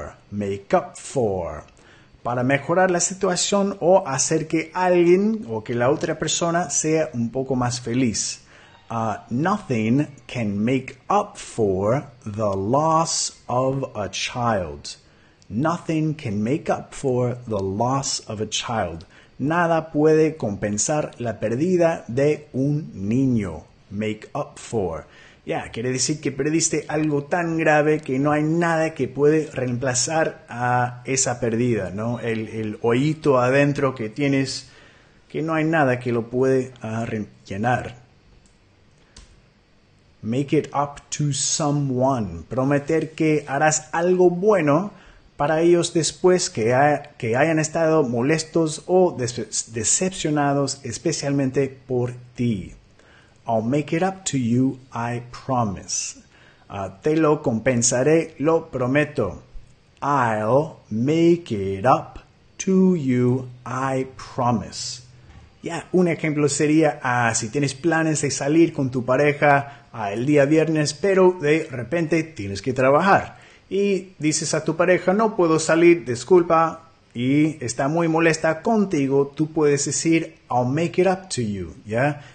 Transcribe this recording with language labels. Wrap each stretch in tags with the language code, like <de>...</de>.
<en>Make up for.</en> <es>Para mejorar la situación o hacer que alguien o que la otra persona sea un poco más feliz.</es> <en>Nothing can make up for the loss of a child. Nothing can make up for the loss of a child.</en> <es>Nada puede compensar la pérdida de un niño.</es> <en>Make up for.</en> <es>Ya, yeah, quiere decir que perdiste algo tan grave que no hay nada que puede reemplazar a esa pérdida, ¿no? El hoyito adentro que tienes, que no hay nada que lo puede llenar.</es> <en>Make it up to someone.</en> <es>Prometer que harás algo bueno para ellos después que hayan estado molestos o decepcionados, especialmente por ti.</es> <en>I'll make it up to you, I promise.</en> <es>Te lo compensaré, lo prometo.</es> <en>I'll make it up to you, I promise.</en> <es>Ya, yeah, un ejemplo sería si tienes planes de salir con tu pareja el día viernes, pero de repente tienes que trabajar. Y dices a tu pareja, no puedo salir, disculpa, y está muy molesta contigo, tú puedes decir,</es> <en>I'll make it up to you,</en> <es>¿ya?</es>